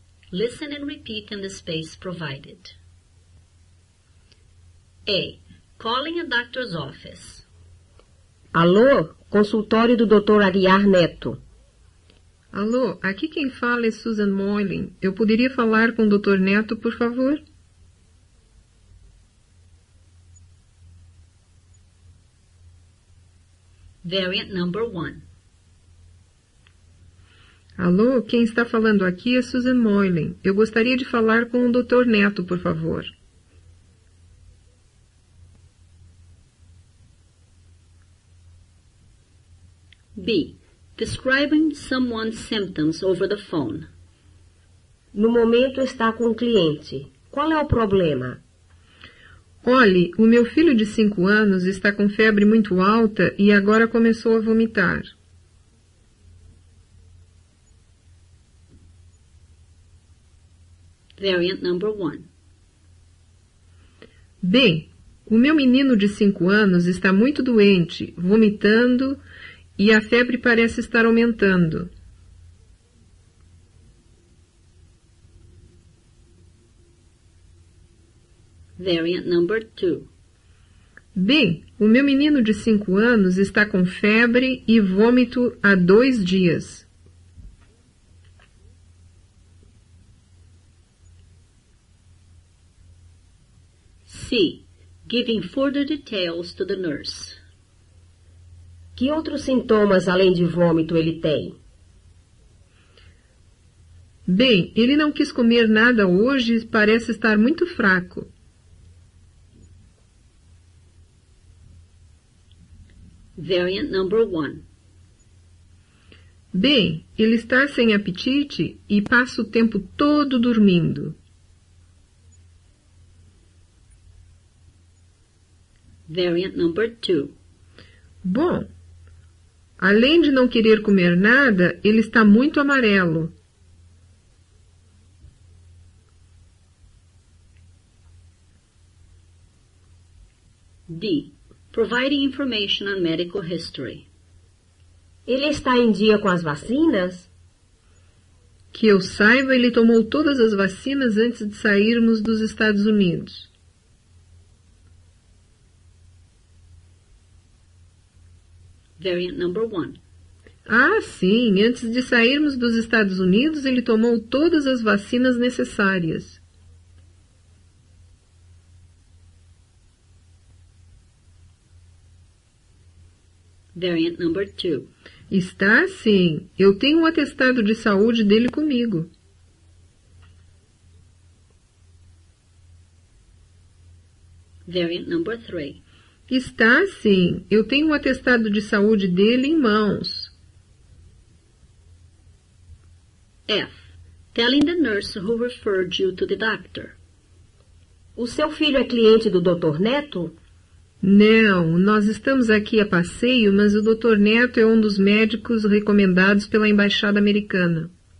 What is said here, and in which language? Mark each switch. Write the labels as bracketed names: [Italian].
[English] Listen and repeat in the space provided. A. Calling a doctor's office. [Portuguese] Alô, consultório do Dr. Ariar Neto. Alô, aqui quem fala é Susan Moylan. Eu poderia falar com o Dr. Neto, por favor? [English] Variant number 1. [Portuguese] Alô, quem está falando aqui é Susan Moylan. Eu gostaria de falar com o Dr. Neto, por favor. [English] B. Describing someone's symptoms over the phone. [Portuguese] No momento está com um cliente. Qual é o problema? Olhe, o meu filho de 5 anos está com febre muito alta e agora começou a vomitar. [English] Variant number 1. [Portuguese] Bem, o meu menino de 5 anos está muito doente, vomitando e a febre parece estar aumentando. [English] Variant number 2. [Portuguese] Bem, o meu menino de 5 anos está com febre e vômito há 2 dias. [English] C. Giving further details to the nurse. [Portuguese] Que outros sintomas além de vômito ele tem? Bem, ele não quis comer nada hoje e parece estar muito fraco. [English] Variant number 1. [Portuguese] Bem, ele está sem apetite e passa o tempo todo dormindo. [English] Variant number 2. [Portuguese] Bom, além de não querer comer nada, ele está muito amarelo. [English] D. Providing information on medical history. [Portuguese] Ele está em dia com as vacinas? Que eu saiba, ele tomou todas as vacinas antes de sairmos dos Estados Unidos. [English] Variant number 1. [Portuguese] Ah, sim. Antes de sairmos dos Estados Unidos, ele tomou todas as vacinas necessárias. [English] Variant number 2. [Portuguese] Está sim. Eu tenho um atestado de saúde dele comigo. [English] Variant number 3. [Portuguese] Está sim. Eu tenho um atestado de saúde dele em mãos. [English] F. Telling the nurse who referred you to the doctor. [Portuguese] O seu filho é cliente do Dr. Neto? Não, nós estamos aqui a passeio, mas o Dr. Neto é um dos médicos recomendados pela Embaixada Americana.